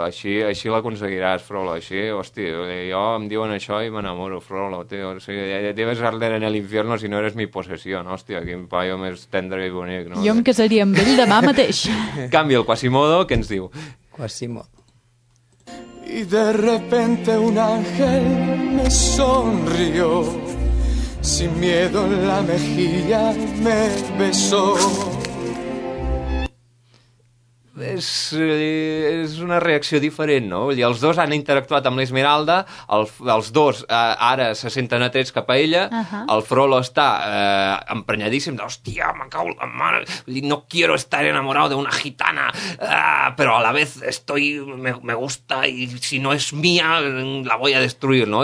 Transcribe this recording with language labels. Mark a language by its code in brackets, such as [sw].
[ca] Així l'aconseguiràs, Frollo, així. Hosti, jo em diuen això i m'enamoro, Frollo, tio. [es] O sigui, debes arder en el infierno si no eres mi possession. [ca] Hòstia, quin paio més tendre i bonic, no? Jo em casaria amb ell demà mateix. Canvi el Quasimodo, què ens diu? Quasimodo. [es] Y de repente un ángel me sonrió, sin miedo en la mejilla me besó. [ca] És una reacció diferent, no? Vull dir, els dos han interactuat amb l'Esmeralda, els dos ara se senten atrets cap a ella, uh-huh. El Frollo està emprenyadíssim, d'hòstia, me cago la mare, vull dir, [es] no quiero estar enamorado de una gitana, però a la vez estoy, me gusta y si no es mía la voy a destruir, no?